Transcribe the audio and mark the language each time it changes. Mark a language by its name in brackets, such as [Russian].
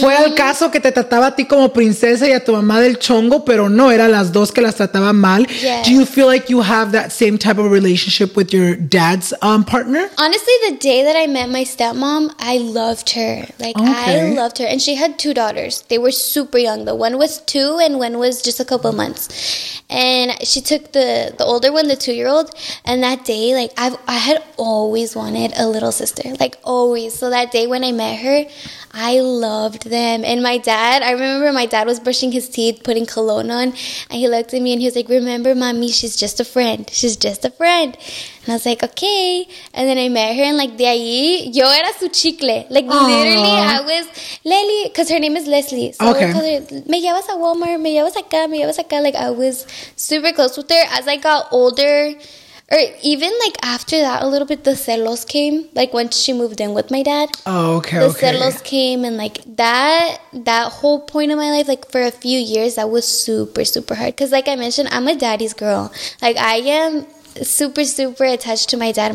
[Spanish] Fue al caso que te trataba a ti como princesa y a tu mamá del chongo, pero no, eran las dos que las trataba mal. [English] Yes. Do you feel like you have that same type of relationship with your dad's partner? Honestly, the day that I met my stepmom, I loved her. Like, okay. I loved her. And she had two daughters. They were super young. The one was 2 and one was just a couple of months. And she took the older one, the 2-year-old. And that day, like, I had always wanted a little sister, like, always. So that day when I met her, I loved them. And my dad, I remember my dad was brushing his teeth, putting cologne on, and he looked at me and he was like, remember, mommy, she's just a friend. She's just a friend. And I was like, okay. And then I met her, and like, [Spanish] de ahí, yo era su chicle. [English] Like, aww, literally, I was, Leslie, because her name is Leslie. So okay. I called her, [Spanish] me llevas a Walmart, me llevas acá, me llevas acá. [English] Like, I was super close with her. As I got older, or even like after that a little bit, the celos came, like once she moved in with my dad. Oh, okay. The celos came, and like that whole point of my life, like for a few years, that was super, super hard. Because like I mentioned, I'm a daddy's girl. Like, I am super, super attached to my dad.